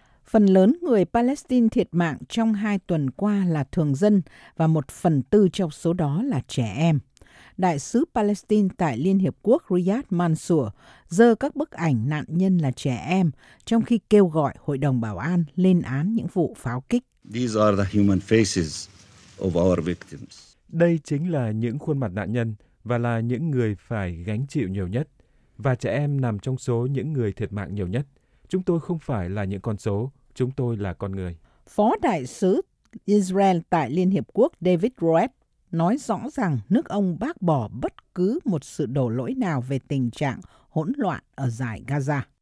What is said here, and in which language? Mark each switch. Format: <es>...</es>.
<vi>Phần lớn người Palestine thiệt mạng trong hai tuần qua là thường dân và một phần tư trong số đó là trẻ em. Đại sứ Palestine tại Liên Hiệp Quốc Riyad Mansour giơ các bức ảnh nạn nhân là trẻ em trong khi kêu gọi Hội đồng Bảo an lên án những vụ pháo kích.</vi> <en>These are the human faces of our victims.</en> <vi>Đây chính là những khuôn mặt nạn nhân và là những người phải gánh chịu nhiều nhất. Và trẻ em nằm trong số những người thiệt mạng nhiều nhất. Chúng tôi không phải là những con số, chúng tôi là con người. Phó Đại sứ Israel tại Liên Hiệp Quốc David Roeb nói rõ rằng nước ông bác bỏ bất cứ một sự đổ lỗi nào về tình trạng hỗn loạn ở dải Gaza.</vi>